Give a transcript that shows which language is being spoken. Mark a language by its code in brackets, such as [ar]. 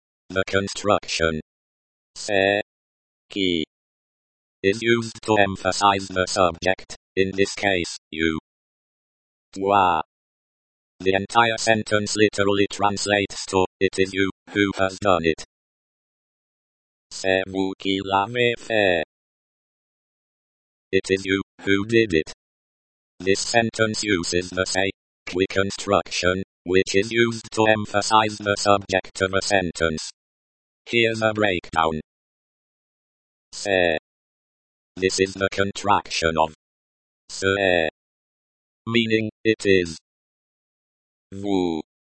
[en] The construction c'est qui is used to emphasize the subject, in this case, you. Toi. The entire sentence literally translates to, it is you who has done it. [fr] C'est vous qui l'avez fait. [en] It is you who did it. This sentence uses the c'est qui construction, which is used to emphasize the subject of a sentence. Here's a breakdown. C'est. This is the contraction of c'est, meaning it is. Vous.